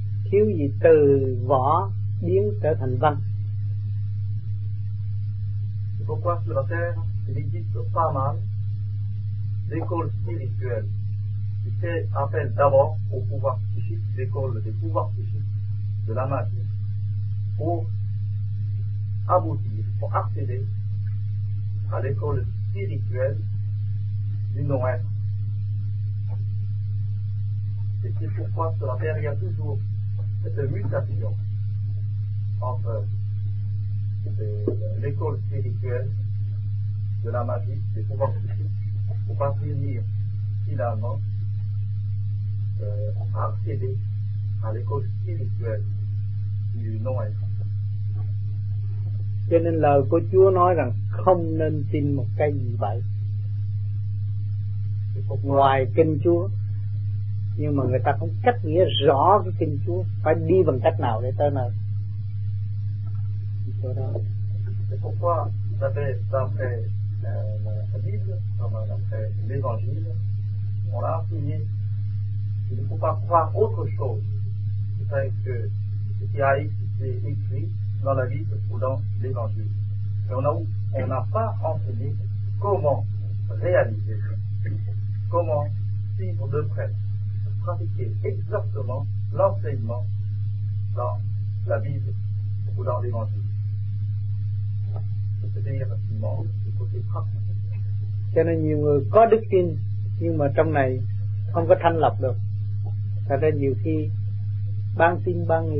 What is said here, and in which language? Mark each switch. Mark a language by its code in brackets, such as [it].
[vi] Thiếu gì từ vỏ biến trở thành văn. [fr] C'est pourquoi sur la terre il existe pas mal d'écoles spirituelles qui fait appel d'abord au pouvoir psychique, l'école des pouvoirs psychiques de la magie, pour aboutir, pour accéder à l'école spirituelle du non-être. Et c'est pourquoi sur la terre il y a toujours cette mutation entre l'école spirituelle de la magie, des pouvoirs psychiques, pour parvenir finalement à accéder à l'école spirituelle du non-être. [vi] Cho nên lời của Chúa nói rằng không nên tin một cái gì vậy ngoài kinh Chúa. Nhưng mà người ta không cách nghĩa rõ cái kinh Chúa phải đi bằng cách nào để tới nơi. Chỗ đó. [fr] C'est pourquoi vous savez, d'après la Bible, comme d'après l'Évangile, on l'a enseigné qu'il ne faut pas croire autre chose que ce qui a été écrit dans la Bible ou dans l'Évangile. Et on n'a pas enseigné comment réaliser, comment suivre de près, pratiquer exactement l'enseignement dans la Bible ou dans l'Évangile. C'est-à-dire, il manque du côté pratique. [vi] Cho nên nhiều người có đức tin, nhưng mà trong này không có thanh lọc được. Cho nên nhiều khi ban tin ban nghi.